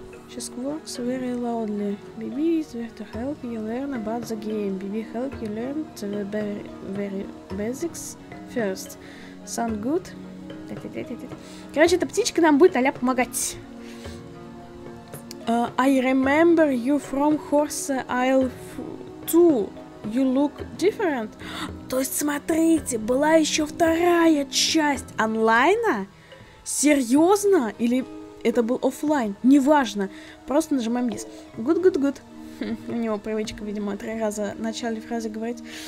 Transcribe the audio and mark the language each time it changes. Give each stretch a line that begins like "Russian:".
English: She squawks very loudly. BB is there to help you learn about the game. BB help you learn the very basics first. Sound good?
Russian: Короче, эта птичка нам будет а-ля помогать.
English: I remember you from Horse Isle 2. You look different.
Russian: То есть, смотрите, была еще вторая часть онлайна? Серьезно? Или это был офлайн? Неважно. Просто нажимаем yes.
English: Good, good, good.
Russian: У него привычка, видимо, 3 раза в начале фразы говорить.